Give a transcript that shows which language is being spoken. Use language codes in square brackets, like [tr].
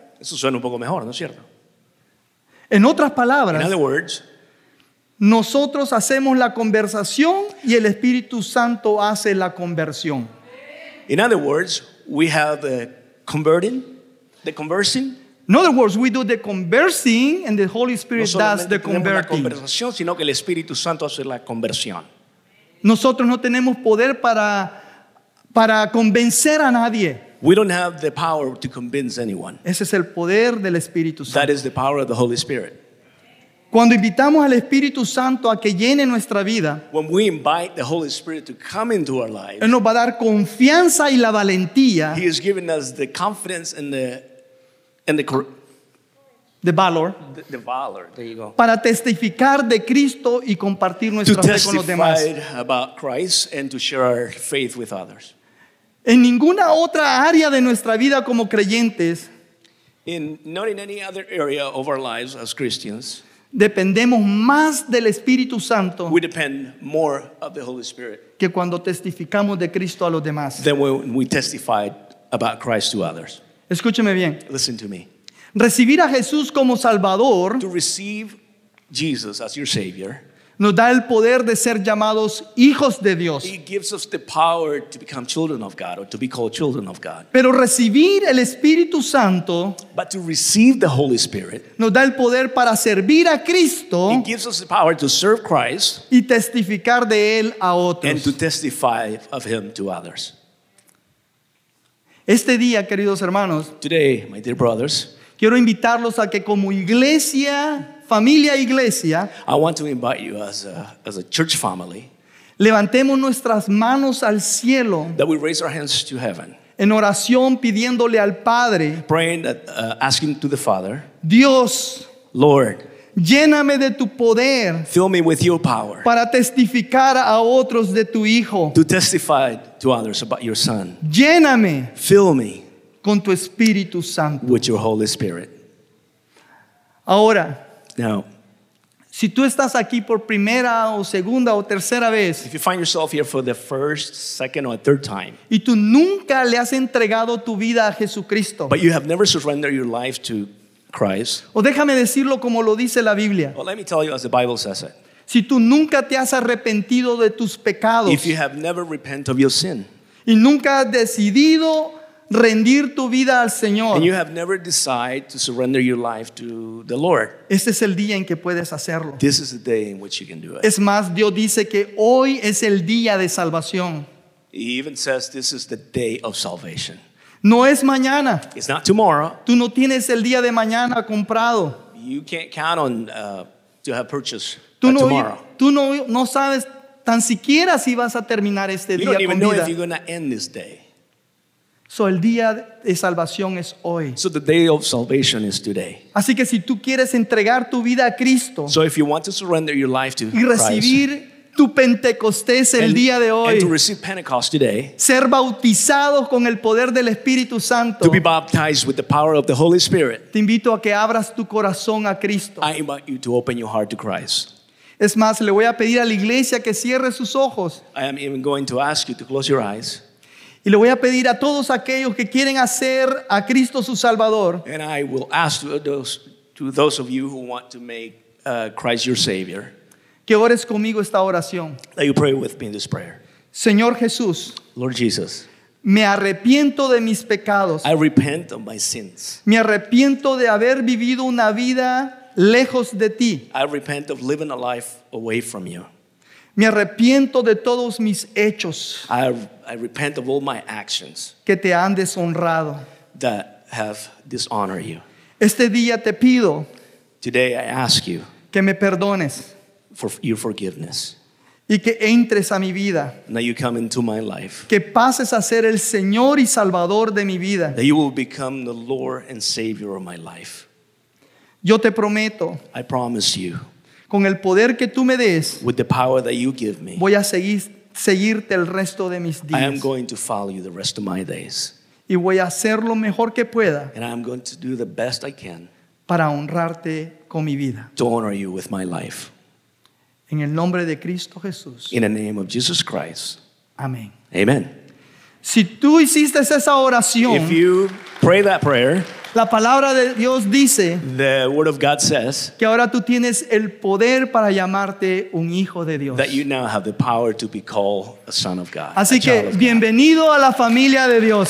[es] Eso suena un poco mejor, ¿no es cierto? En otras palabras, [en] in other words, [es] nosotros hacemos la conversación y el Espíritu Santo hace la conversión. [en] In other words, we have converting, the conversing. In other words, we do the conversing and the Holy Spirit [es] no [en] does the converting. [es] La conversación, sino que el Espíritu Santo hace la conversión. Nosotros no tenemos poder para convencer a nadie. [en] We don't have the power to convince anyone. [es] Ese es el poder del Espíritu Santo. [en] That is the power of the Holy Spirit. [es] Cuando invitamos al Espíritu Santo a que llene nuestra vida, [en] when we invite the Holy Spirit to come into our life, [es] Él nos va a dar confianza y la valentía. [en] He is giving us the confidence and the valor. There you go. [es] Para testificar de Cristo y compartir nuestra fe con los demás. [en] To testify about Christ and to share our faith with others. [es] En ninguna otra área de nuestra vida como creyentes, [en] not in any other area of our lives as Christians, [es] dependemos más del Espíritu Santo, [en] we depend more of the Holy Spirit, [es] que cuando testificamos de Cristo a los demás, [en] than when we testify about Christ to others. [es] Escúcheme bien. [en] Listen to me. [es] Recibir a Jesús como Salvador, [en] to receive Jesus as your Savior, [es] nos da el poder de ser llamados hijos de Dios. [en] He gives us the power to become children of God or to be called children of God. [es] Pero recibir el Espíritu Santo, [en] but to receive the Holy Spirit, [es] nos da el poder para servir a Cristo. [en] He gives us the power to serve Christ [es] y testificar de él a otros. [en] And to testify of him to others. [es] Este día, queridos hermanos, [en] today, my dear brothers, [es] quiero invitarlos a que como iglesia, familia iglesia, [en] I want to invite you as a church family, [es] levantemos nuestras manos al cielo, [en] that we raise our hands to heaven, [es] en oración pidiéndole al Padre, [en] praying that, asking to the Father, [es] Dios, [en] Lord, [es] lléname de tu poder, [en] fill me with your power, [es] para testificar a otros de tu Hijo, [en] to testify to others about your Son, [es] lléname, [en] fill me, [es] con tu Espíritu Santo, [en] with your Holy Spirit. [es] Ahora, [en] now, [es] si tú estás aquí por primera o segunda o tercera vez, [en] if you find yourself here for the first, second, or third time, [es] y tú nunca le has entregado tu vida a Jesucristo, [en] but you have never surrendered your life to Christ, [es] o déjame decirlo como lo dice la Biblia, [en] well, let me tell you as the Bible says it, [es] si tú nunca te has arrepentido de tus pecados, [en] if you have never repented of your sin, [es] y nunca has decidido rendir tu vida al Señor, [en] and you have never decided to surrender your life to the Lord, [es] este es el día en que puedes hacerlo. [en] This is the day in which you can do it. [es] Es más, Dios dice que hoy es el día de salvación. [en] He even says this is the day of salvation. [es] No es mañana. [en] It's not tomorrow. [es] Tú no tienes el día de mañana comprado. [en] You can't count on to have purchased tomorrow. [es] Tú no sabes tan siquiera si vas a terminar este día con vida. [en] You don't even know if you're going to end this day. [es] So el día de salvación es hoy. [en] So the day of salvation is today. [es] Así que si tú quieres entregar tu vida a Cristo, [en] so if you want to surrender your life to [es] y recibir [en] Christ, [es] tu Pentecostés el día de hoy, [en] and to receive Pentecost today, [es] ser bautizado con el poder del Espíritu Santo, [en] to be baptized with the power of the Holy Spirit, [es] te invito a que abras tu corazón a Cristo. [en] I invite you to open your heart to Christ. [es] Es más, le voy a pedir a la iglesia que cierre sus ojos. [en] I am even going to ask you to close your eyes. [es] Y le voy a pedir a todos aquellos que quieren hacer a Cristo su Salvador. [en] And I will ask to those of you who want to make Christ your Savior. [es] Que ores conmigo esta oración. [en] That you pray with me this prayer. [es] Señor Jesús. [en] Lord Jesus. [es] Me arrepiento de mis pecados. [en] I repent of my sins. [es] Me arrepiento de haber vivido una vida lejos de ti. [en] I repent of living a life away from you. [es] Me arrepiento de todos mis hechos. [en] I repent of all my actions. [es] Que te han deshonrado. [en] That have dishonored you. [es] Este día te pido. [en] Today I ask you. [es] Que me perdones. [en] For your forgiveness. [es] Y que entres a mi vida. [en] That you come into my life. [es] Que pases a ser el Señor y Salvador de mi vida. [en] That you will become the Lord and Savior of my life. [es] Yo te prometo. [en] I promise you. [es] Con el poder que tú me des. [en] With the power that you give me. [es] Voy a seguirte el resto de mis días. [en] I am going to follow you the rest of my days. [es] Y voy a hacer lo mejor que pueda. [en] And I am going to do the best I can. [es] Para honrarte con mi vida. [en] To honor you with my life. [es] En el nombre de Cristo Jesús. [en] In the name of Jesus Christ. [es] Amén. [en] Amen. [es] Si tú hiciste esa oración. [en] If you pray that prayer. [es] La palabra de Dios dice. [en] The word of God says. [es] Que ahora tú tienes el poder para llamarte un hijo de Dios. [en] That you now have the power to be called a son of God. [es] Así que bienvenido a la familia de Dios.